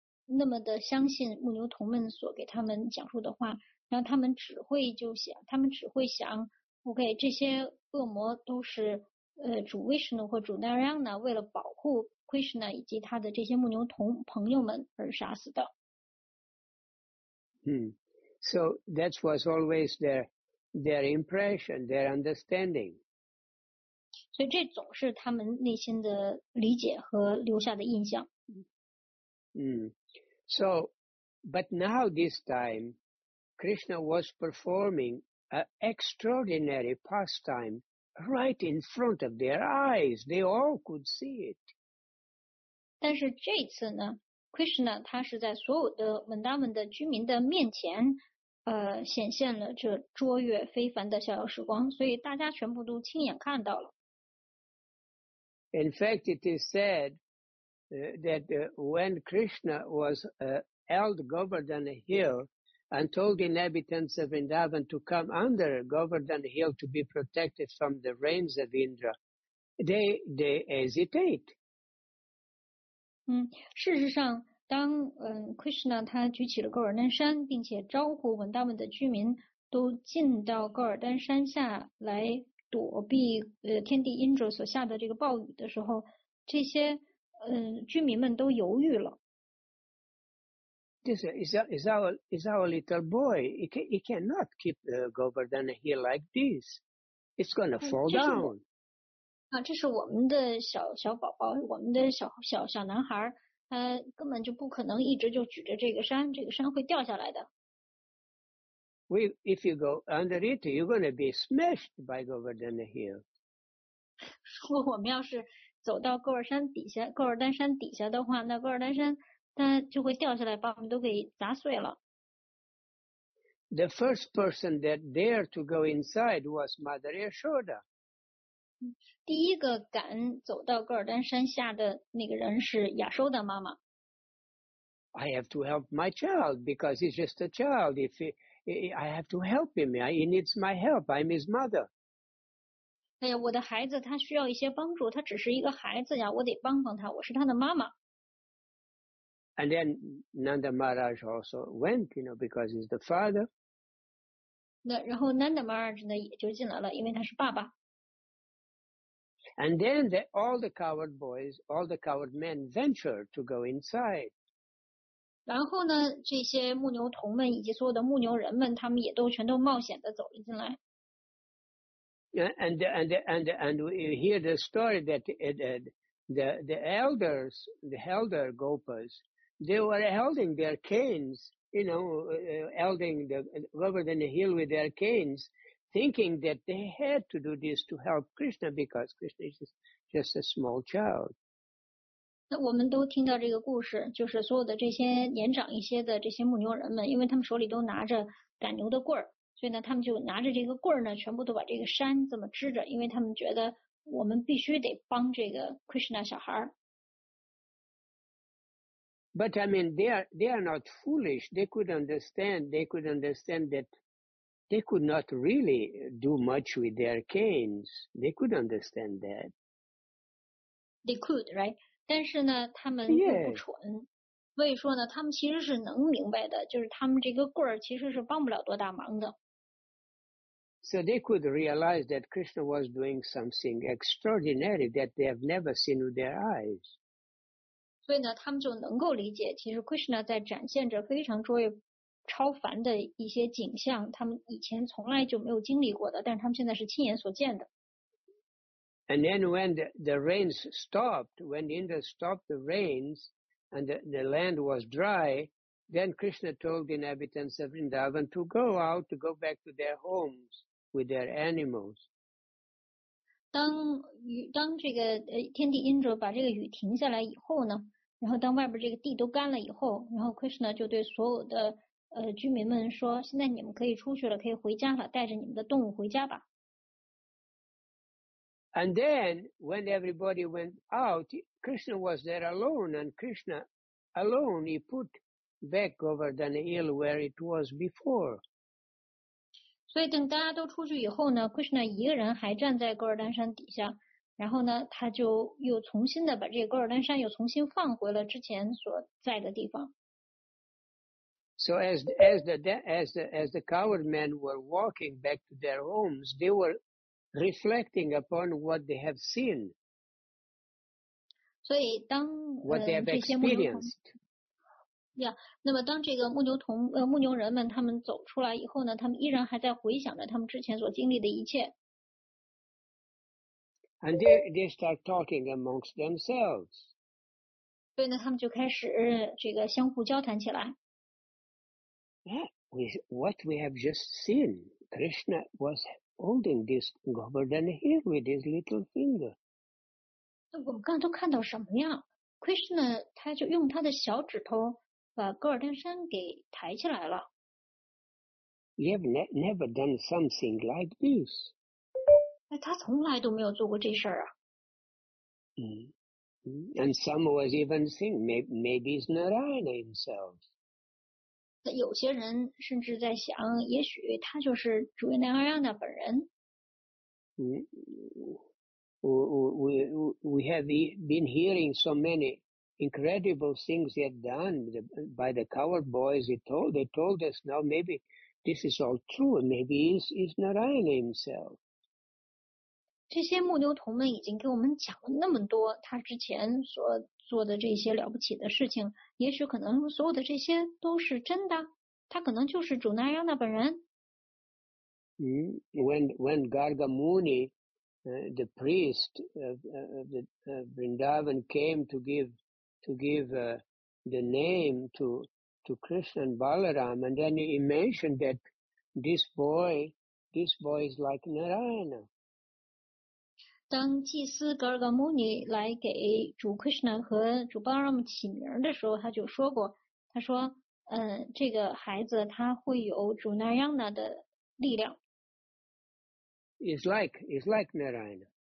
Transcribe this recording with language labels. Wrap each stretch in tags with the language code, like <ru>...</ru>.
<zh>那么的相信牧牛童们所给他们讲述的话，然后他们只会想 ，OK， 这些恶魔都是主 Vishnu 或主 Narayana 为了保护 Krishna 以及他的这些牧牛童朋友们而杀死的。</zh> <en>So that was always their impression, their understanding.</en> <zh>所以这总是他们内心的理解和留下的印象。</zh> <en>So, but now this time, Krishna was performing an extraordinary pastime right in front of their eyes. They all could see it.</en> <zh>但是这次呢，Krishna 他是在所有的 Vrindavan 的居民的面前，显现了这卓越非凡的逍遥时光，所以大家全部都亲眼看到了。</zh> <en>In fact, it is said. That when Krishna was held Govardhan Hill and told the inhabitants of Vrindavan to come under Govardhan Hill to be protected from the rains of Indra, they hesitate.</en> <zh>事实上，当Krishna 他举起了高尔丹山，并且招呼文达文的居民都进到高尔丹山下来躲避天帝 Indra 所下的这个暴雨的时候，这些居民们都犹豫了。</zh> <en>This is our little boy. He cannot keep the Govardhan Hill like this. It's going to fall down.</en> <zh>这是我们的小宝宝，我们的小男孩，他根本就不可能一直就举着这个山会掉下来的。</zh> <en>If you go under it, you're going to be smashed by Govardhan Hill.</en> <zh>说我们要是走到高尔山底下，高尔丹山底下的话，那高尔丹山它就会掉下来，把我们都给砸碎了。</zh> <en>The first person that dared to go inside was Mother Yashoda.</en> <zh>第一个敢走到高尔丹山下的那个人是亚修的妈妈。</zh> <en>I have to help my child because he's just a child. I have to help him. He needs my help. I'm his mother.</en> <zh>哎呀，我的孩子他需要一些帮助，他只是一个孩子呀，我得帮帮他，我是他的妈妈。</zh> <en>And then Nanda Maharaj also went, you know, because he's the father.</en> <zh>那然后 Nanda Maharaj 呢也就进来了，因为他是爸爸。</zh> <en>And then all the coward boys, all the coward men ventured to go inside.</en> <zh>然后呢，这些牧牛童们以及所有的牧牛人们，他们也都全都冒险的走了进来。</zh> <en>And we hear the story that the elders, the elder gopas, they were holding their canes, you know, holding the Govardhan Hill with their canes, thinking that they had to do this to help Krishna because Krishna is just a small child.</en> <zh>那我们都听到这个故事，就是所有的这些年长一些的这些牧牛人们，因为他们手里都拿着赶牛的棍儿。所以呢，他们就拿着这个棍儿呢，全部都把这个山这么支着，因为他们觉得我们必须得帮这个 Krishna 小孩。</zh> <en>But I mean, they are not foolish. They could understand. They could understand that they could not really do much with their canes. They could understand that. They could, right?</en> <zh>但是呢，他们又不蠢。 Yeah. 所以说呢，他们其实是能明白的，就是他们这个棍儿其实是帮不了多大忙的。</zh> <en>So they could realize that Krishna was doing something extraordinary that they have never seen with their eyes.</en> <zh>所以呢，他们就能够理解，其实 Krishna 在展现着非常卓越、超凡的一些景象，他们以前从来就没有经历过的，但是他们现在是亲眼所见的。</zh> <en>And then when the rains stopped, when Indra stopped the rains,And the land was dry, then Krishna told the inhabitants of Vrindavan to go out, to go back to their homes with their animals.</en> <zh>当这个天帝 Indra 把这个雨停下来以后呢，然后当外边这个地都干了以后，然后 Krishna 就对所有的居民们说，现在你们可以出去了，可以回家了，带着你们的动物回家吧。</zh> <en>And then, when everybody went out, Krishna was there alone, and Krishna alone, he put back Govardhan Hill where it was before.</en> <zh>所以等大家都出去以后呢， Krishna 一个人还站在高尔丹山底下，然后呢，他就又重新的把这个高尔丹山又重新放回了之前所在的地方。</zh> <en>So as the coward men were walking back to their homes, they were reflecting upon what they have seen.</en> <zh>所以当</zh> <en>what they have experienced.</en> <zh>那么当这个牧牛人们他们走出来以后呢，他们依然还在回想着他们之前所经历的一切。</zh> <en>And they start talking amongst themselves.</en> <zh>所以呢，他们就开始这个相互交谈起来。</zh> <en>What we have just seen, Krishna was holding this Govardhan here with his little finger.</en> <zh>那我们刚才都看到什么呀？ Krishna 他就用他的小指头把戈尔丹山给抬起来了。</zh> <en>You have never done something like this.</en> <zh>他从来都没有做过这事儿啊。</zh> <en>And some was even saying, maybe it's Narayana himself.</en> <zh>有些人甚至在想，也许他就是主耶南阿亚那本人。</zh> <en>We have been hearing so many incredible things he had done by the coward boys. They told us now maybe this is all true. Maybe is Narayana himself.</en> <zh>这些牧牛童们已经给我们讲了那么多他之前所做的这些了不起的事情，也许可能所有的这些都是真的，他可能就是主纳亚那本人。</zh> <en>When Garga Muni, the priest of Vrindavan came to give the name to Krishna and Balaram, and then he mentioned that this boy is like Narayana.</en> <zh>当祭司格尔格穆尼来给主克什纳和主巴拉姆起名的时候，他就说过，他说这个孩子他会有主纳扬纳的力量。</zh> <en>It's like Narayana.</en>